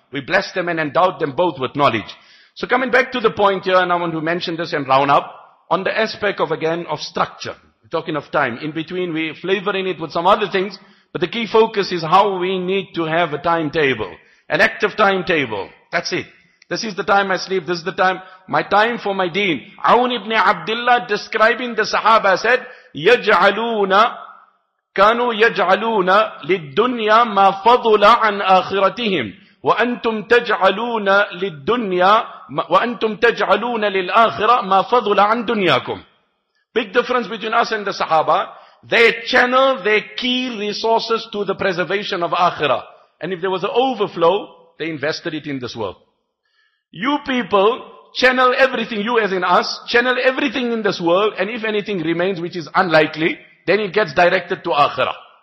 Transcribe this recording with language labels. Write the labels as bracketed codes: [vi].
[en] We blessed them and endowed them both with knowledge. So coming back to the point here, and I want to mention this and round up, on the aspect of, again, of structure. We're talking of time. In between, we're flavoring it with some other things, but the key focus is how we need to have a timetable, an active timetable. That's it. This is the time I sleep. This is the time, my time for my deen. Aun ibn Abdullah, describing the Sahaba, said, [ar] يَجْعَلُونَ كانوا يجعلون للدنيا ما فضل عن آخرتهم وأنتم تجعلون للدنيا وأنتم تجعلون للآخرة ما فضل عن دنياكم. [en] Big difference between us and the Sahaba. They channel their key resources to the preservation of Akhira. And if there was an overflow, they invested it in this world. You people channel everything, you as in us, channel everything in this world, and if anything remains, which is unlikely, then it gets directed to Akhirah.